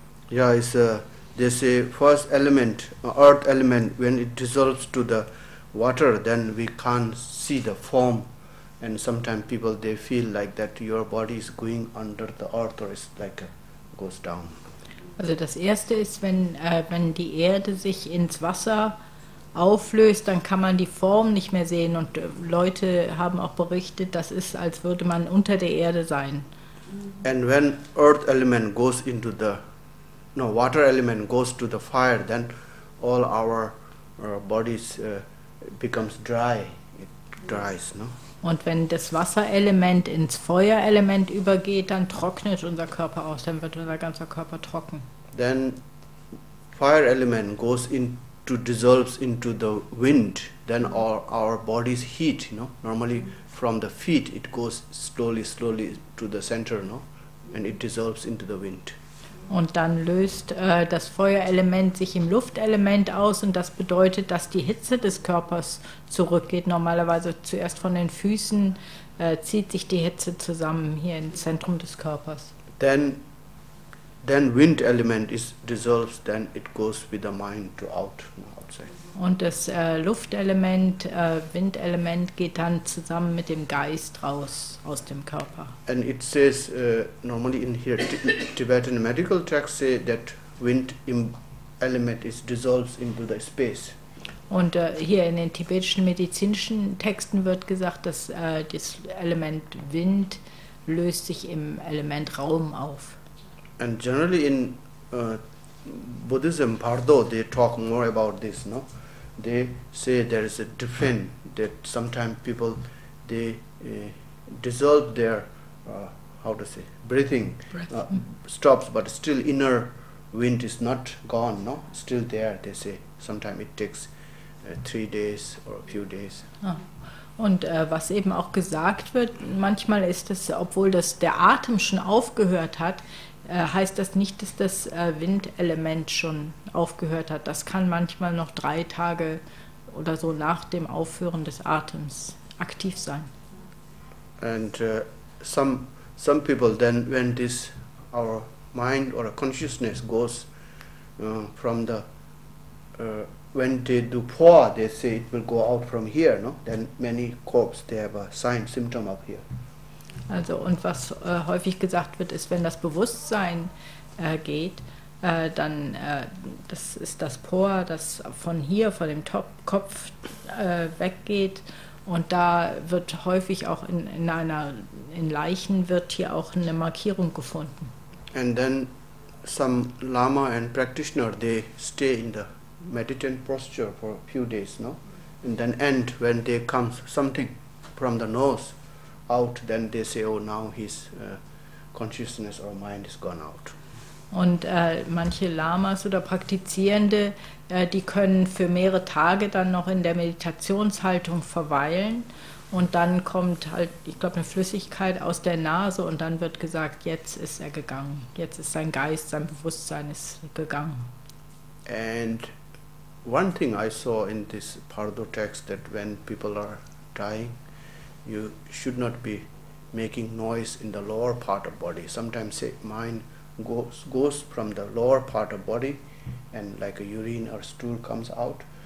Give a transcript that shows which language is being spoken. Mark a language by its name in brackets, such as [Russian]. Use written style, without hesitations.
[English] Yeah, it's they say first element, earth element, when it dissolves to the water, then we can't see the form. And sometimes people, they feel like that your body is going under the earth, or it's like goes down. [German] Also das erste ist, wenn die Erde sich ins Wasser auflöst, dann kann man die Form nicht mehr sehen. Und Leute haben auch berichtet, das ist, als würde man unter der Erde sein. [English] And when earth element goes into the, no, water element goes to the fire, then all our bodies becomes dry. It dries, no? [German] Und wenn das Wasserelement ins Feuerelement übergeht, dann trocknet unser Körper aus, dann wird unser ganzer Körper trocken. [English] Then fire element goes into dissolves into the wind, then all our bodies heat, you know. Normally from the feet it goes slowly to the center, no, and it dissolves into the wind. [German] Und dann löst das Feuerelement sich im Luftelement aus und das bedeutet, dass die Hitze des Körpers zurückgeht. Normalerweise zuerst von den Füßen zieht sich die Hitze zusammen hier im Zentrum des Körpers. [English] Then wind element is dissolves, then it goes with the mind to out, outside. [German] Und das Luftelement, Windelement geht dann zusammen mit dem Geist raus aus dem Körper. [English] And it says normally in here Tibetan medical texts say that wind element is dissolves into the space. [German] Und hier in den tibetischen medizinischen Texten wird gesagt, dass das Element Wind löst sich im Element Raum auf. [English] And generally in Buddhism, Pardo, they talk more about this, no? They say there is a difference that sometimes people, they dissolve their, breathing. Stops, but still inner wind is not gone, no? Still there, they say. Sometimes it takes 3 days or a few days. Oh. [German] Und was eben auch gesagt wird, manchmal ist es, obwohl das der Atem schon aufgehört hat, heißt das nicht, dass das Windelement schon aufgehört hat. Das kann manchmal noch 3 Tage oder so nach dem Aufhören des Atems aktiv sein. [English] And some people then, when this our mind or consciousness goes from the when they do pour, they say it will go out from here, no? Then many corpse, they have a sign, symptom up here. [German] Also, und was häufig gesagt wird, ist, wenn das Bewusstsein geht, dann das ist das Por, das von hier, von dem Kopf weggeht. Und da wird häufig auch in Leichen wird hier auch eine Markierung gefunden. [English] And then some Lama and practitioner, they stay in the meditative posture for a few days, no? And then end, when they come something from the nose out, then they say, oh, now his consciousness or mind is gone out. [German] Und manche Lamas oder Praktizierende, die können für mehrere Tage dann noch in der Meditationshaltung verweilen und dann kommt halt, ich glaube, eine Flüssigkeit aus der Nase und dann wird gesagt, jetzt ist er gegangen, jetzt ist sein Geist, sein Bewusstsein ist gegangen. [English] And one thing I saw in this Pardo text, that when people are dying, you should not be making noise in the lower part of body. Sometimes say mind goes from the lower part of body and like a urine or stool comes out.